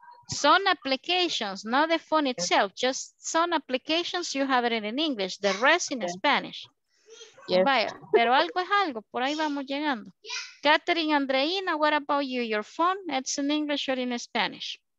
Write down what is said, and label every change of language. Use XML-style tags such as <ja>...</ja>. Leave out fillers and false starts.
<en>Some applications, not the phone itself, just some applications you have it in English, the rest in Spanish. Yes.</en> <es>Vaya, pero algo es algo, por ahí vamos llegando.</es> <en>Catherine Andreina, what about you? Your phone, it's in English or in Spanish?</en>